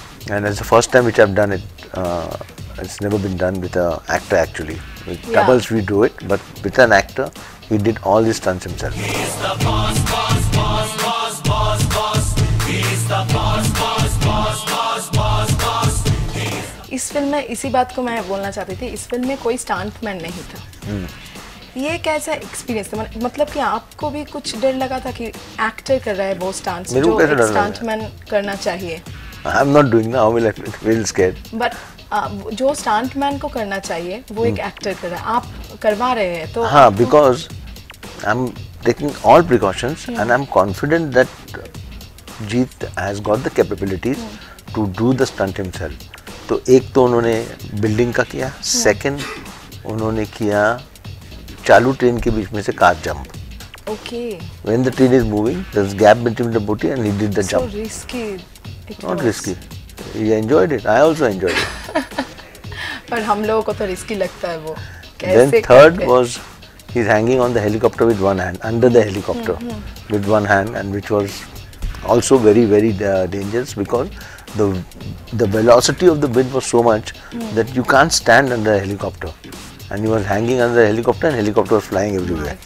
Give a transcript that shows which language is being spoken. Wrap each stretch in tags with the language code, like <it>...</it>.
<en>And it's the first time which I've done it. It's never been done with an actor actually. With doubles we do it, but with an actor, he did all these stunts himself. He's the boss, boss, boss, boss, boss, boss. He's the boss, boss, boss, boss, boss, boss.</en> <hi>इस film में इसी बात को मैं बोलना चाहती थी, इस फिल्म में कोई स्टंटमैन नहीं था। ये कैसा एक्सपीरियंस था? मतलब कि आपको भी कुछ डर लगा था कि एक्टर कर रहा है वो स्टंट्स जो स्टंटमैन करना चाहिए?</hi> <en>I am not doing now, I will feel scared.</en> <hi>But जो स्टंटमैन को करना चाहिए वो एक एक्टर कर रहा है, आप करवा रहे हैं तो</hi> <en>हाँ, because I am taking all precautions and I am confident that Jeet has got the capabilities to do the stunt himself.</en> <hi>तो एक तो उन्होंने बिल्डिंग का किया, सेकंड उन्होंने किया चालू ट्रेन के बीच में से car jump.</hi> <en>Okay, when the train is moving there is gap between the body and he did the jump. So risky, not risky, he enjoyed it, I also enjoyed it.</en> <hi>पर हम लोगों को तो risky लगता है वो।</hi> <en>Then third was, he's hanging on the helicopter with one hand, under the helicopter with one hand, and which was also very, very dangerous because the velocity of the wind was so much that you can't stand under a helicopter, and he was hanging under the helicopter and helicopter was flying everywhere.</en>